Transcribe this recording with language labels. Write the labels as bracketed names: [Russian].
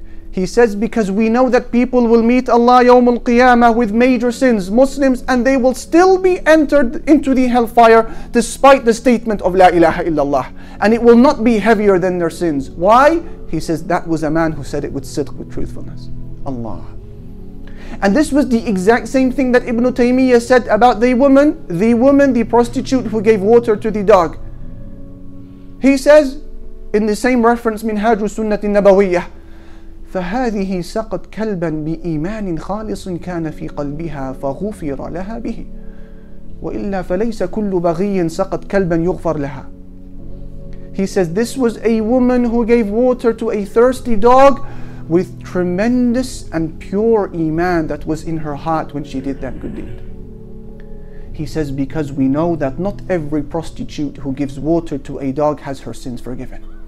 [English] He says, because we know that people will meet Allah Yawm Al-Qiyamah with major sins, Muslims, and they will still be entered into the hellfire despite the statement of La ilaha illallah. And it will not be heavier than their sins. Why? He says, that was a man who said it with sidq, with truthfulness. Allah. And this was the exact same thing that Ibn Taymiyyah said about the woman, the prostitute who gave water to the dog. He says, in the same reference, [Arabic] Minhaj al-Sunnah al-Nabawiyyah, فهذه سقط كلبا بإيمان خالص كان في قلبها فغفر لها به وإلا فليس كل بغي سقط كلبا يغفر لها. [English] He says, this was a woman who gave water to a thirsty dog with tremendous and pure iman that was in her heart when she did that good deed. He says, because we know that not every prostitute who gives water to a dog has her sins forgiven.